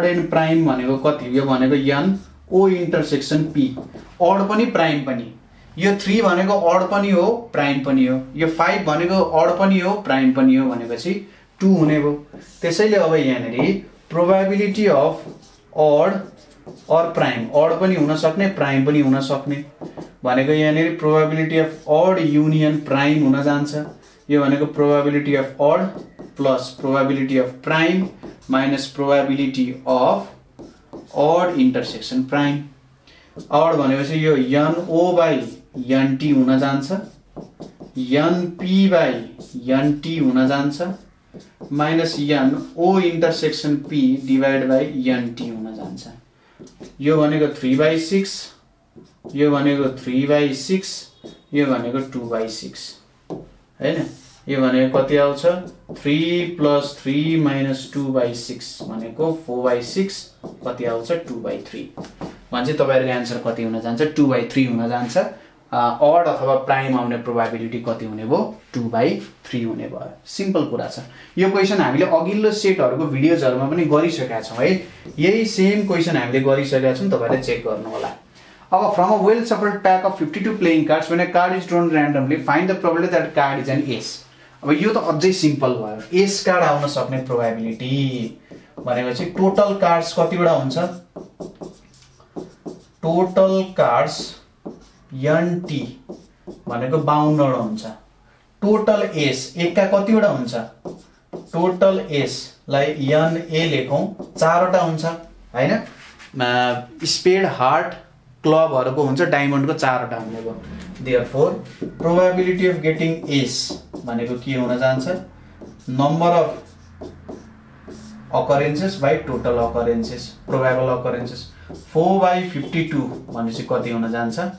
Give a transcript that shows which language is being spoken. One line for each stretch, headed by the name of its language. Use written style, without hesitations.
Nepali: Prime भनेको कति यो भनेको N O intersection P odd पनि प्राइम पनि यो 3 भनेको ऑड पनि हो प्राइम पनि हो यो 5 भनेको ऑड पनि हो प्राइम पनि हो भनेपछि 2 हुने भयो त्यसैले अब यहाँ नि
English: probability of odd or prime.
Nepali: Odd पनी होना सकने, prime पनी होना सकने.
English: भनेको यहाँनेरि probability of odd union prime हुन जान्छ. यो भनेको probability of odd plus probability of prime minus probability of odd intersection prime.
Nepali: Odd भनेपछि यो NO by NT हुन जान्छ.
English: NP by NT हुन जान्छ. Minus NO intersection P divided by NT हुन जान्छ.
Nepali: यो भनेको 3 by 6. यो भनेको 3 by 6. यो भनेको 2 by 6. हैन? यो भनेको कति आउँछ?
English: 3 plus 3 minus 2 by 6. भनेको 4 by 6. कति आउँछ? 2 by 3.
Nepali: भन्छ तपाईहरुको आन्सर कति हुन जान्छ? 2 by 3 हुन जान्छ. Odd अथवा prime आउने probability कति हुने भो? 2 by 3 हुने भयो. Simple कुरा छ. यो question हामीले अघिल्लो सेटहरुको भिडियोजहरुमा पनि गरिसकेका छौं है. यही सेम question हामीले गरिसकेका छौं. तपाईहरुले चेक गर्नु होला.
English: अब from a well shuffled pack of 52 playing cards when a card is drawn randomly find the probability that card is an ace.
Nepali: अब यो त अझै सिम्पल भयो. ace card आउन सक्ने probability भनेको चाहिँ total cards कतिवटा हुन्छ? Total cards nt भनेको 52 वटा हुन्छ. Total ace एक का कतिवटा हुन्छ? Total ace लाई na लेखौं. 4 वटा हुन्छ हैन? Spade heart क्लब हरको हुन्छ. डायमन्ड को 4 वटा हुने भयो.
English: therefore probability of getting ace
Nepali: भनेको के हुन जान्छ?
English: number of occurrences by total occurrences probable occurrences 4/52
Nepali: भनेपछि कति हुन जान्छ?